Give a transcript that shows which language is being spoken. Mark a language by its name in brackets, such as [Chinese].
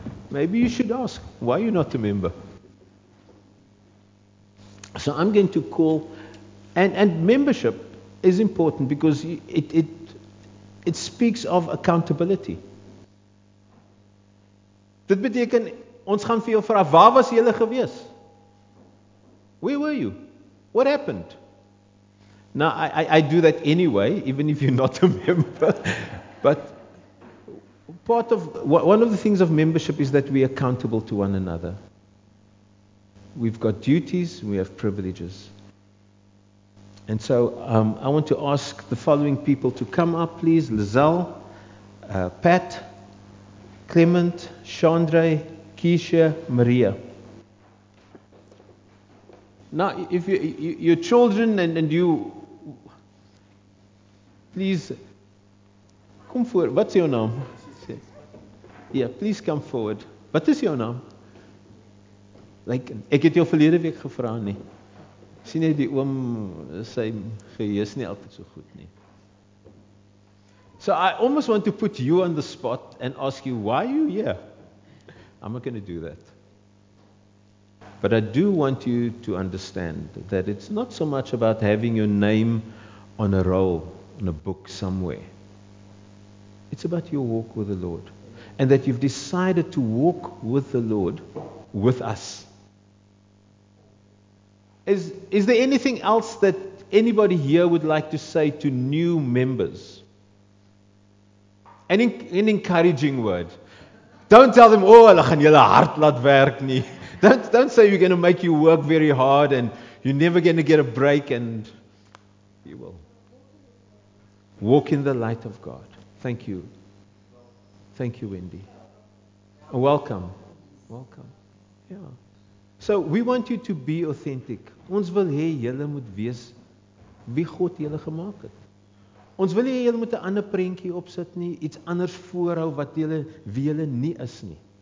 [English] Maybe you should ask, why are you not a member? So I'm going to call, and membership is important because it speaks of accountability. [Afrikaans] Dit beteken ons gaan vir jou vra, waar was jy gewees? [English] Where were you? What happened? Now I do that anyway, even if you're not a member, but one of the things of membership is that we're accountable to one another. We've got duties, we have privileges. And so I want to ask the following people to come up, please. Lizelle, Pat, Clement, Chandra, Keisha, Maria. Now, if your children and you, please, come forward. What's your name? Yeah, please come forward. What is your name? Like, [Afrikaans] ek het jou verlede week gevra nie. Sien jy die oom, sy geheus nie altyd so goed nie. [English] So I almost want to put you on the spot and ask you, why are you here? I'm not going to do that. But I do want you to understand that it's not so much about having your name on a roll, on a book somewhere. It's about your walk with the Lord. And that you've decided to walk with the Lord, with us. Is there anything else that anybody here would like to say to new members? An encouraging word. Don't tell them, oh, [Afrikaans] hulle gaan julle hard laat werk nie. [English] Don't say you're going to make you work very hard and you're never going to get a break and you will. Walk in the light of God. Thank you. Thank you, Wendy. Welcome. Welcome. Yeah. So we want you to be authentic. [Afrikaans] Ons wil hê julle moet wees wie God julle gemaak het. Ons wil hê julle moet 'n ander prentjie opsit nie, iets anders voorhou wat julle wie julle nie is nie.